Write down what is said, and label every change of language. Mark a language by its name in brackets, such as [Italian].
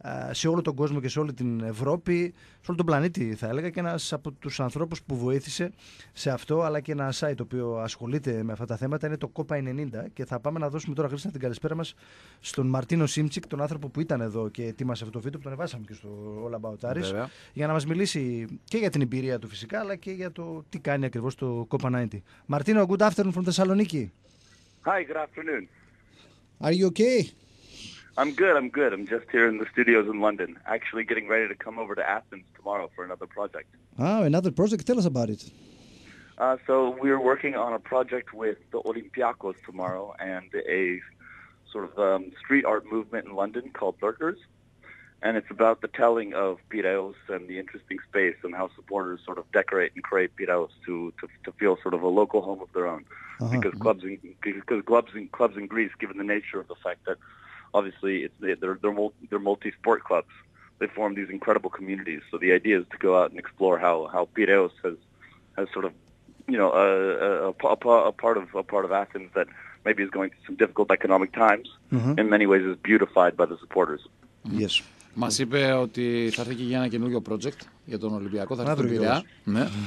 [Greek] σε όλο τον κόσμο και σε όλη την Ευρώπη, σε όλο τον πλανήτη θα έλεγα, και ένας από τους ανθρώπους που βοήθησε σε αυτό, αλλά και ένα site το οποίο ασχολείται με αυτά τα θέματα, είναι το COPA 90. Και θα πάμε να δώσουμε τώρα, Χρήστα, την καλησπέρα μας στον Μαρτίνο Σίμτσικ, τον άνθρωπο που ήταν εδώ και ετοίμασε αυτό το βίντεο, που τον ανεβάσαμε και στο All About Aris, για να μας μιλήσει και για την εμπειρία του φυσικά, αλλά και για το τι κάνει ακριβώς το COPA 90. [English] Μαρτίνο, good afternoon from Θεσσαλονίκη. Hi, good afternoon. Are you okay? I'm good. I'm just here in the studios in London, actually getting ready to come over to Athens tomorrow for another project. Oh, another project? Tell us about it. So we're working on a project with the Olympiacos tomorrow and a sort of street art movement in London called Lurkers. And it's about the telling of Piraeus and the interesting space and how supporters sort of decorate and create Piraeus to feel sort of a local home of their own. Uh-huh. Because clubs in Greece, given the nature of the fact that obviously, they're multi-sport clubs. They form these incredible communities. So the idea is to go out and explore how Piraeus has sort of, you know, a part of Athens that maybe is going through some difficult economic times. Mm-hmm. In many ways, is beautified by the supporters. Yes. [Greek] Μας είπε ότι θα έρθει και για ένα καινούριο project για τον Ολυμπιακό. Θα έρθει τον Πειραιά. Ναι.